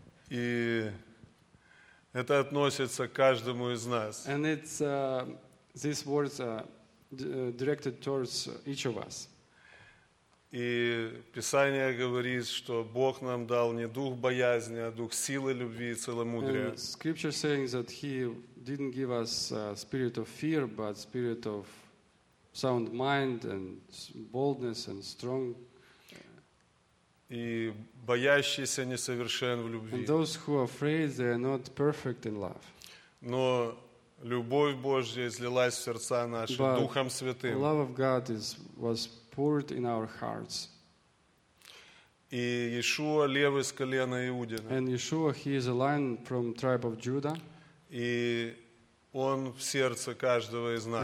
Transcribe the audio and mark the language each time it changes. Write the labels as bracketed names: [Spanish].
[Russian] И это относится к каждому из нас. [English] And it's these words directed towards each of us. [Russian] И Писание говорит, что Бог нам дал не дух боязни, а дух силы, любви и целомудрия. [English] And scripture saying that he didn't give us a spirit of fear, but spirit of sound mind and boldness and strong. [Russian] И боящийся несовершен в любви. [English] And those who are afraid, they are not perfect in love. [Russian] Но любовь Божья излилась в сердца наши [English] But [Russian] Духом Святым. [English] Love of God was poured in our hearts. [Russian] И Иешуа лев из колена Иудина. [English] And Yeshua, he is a lion from the tribe of Judah. [Russian] И он в сердце каждого из нас.